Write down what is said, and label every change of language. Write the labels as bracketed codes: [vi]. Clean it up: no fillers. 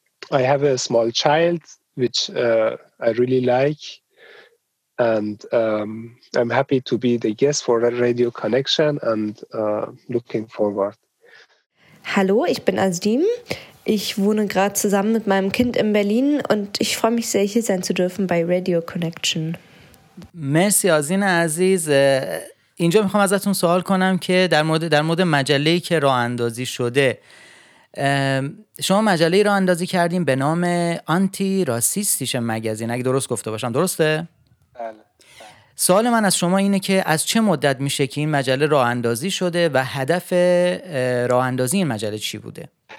[en] I have a small child, which I really like. And I'm happy to be the guest for a radio connection and looking forward. [de] Hallo, ich bin Azdim. Ich wohne gerade zusammen mit meinem Kind in Berlin und ich freue mich sehr, hier sein zu dürfen bei Radio Connection. [fa] مرسی آزین عزیز. اینجا میخوام ازتون سوال کنم که در مورد مجله‌ای که راه اندازی شده، شما مجله‌ای راه اندازی کردیم به نام آنتی راسیستیش مگزین، اگه درست گفته باشم، درسته؟ بله. سوال من از شما اینه که از چه مدت میشه که این مجله راه اندازی شده و هدف راه اندازی این مجله چی بوده؟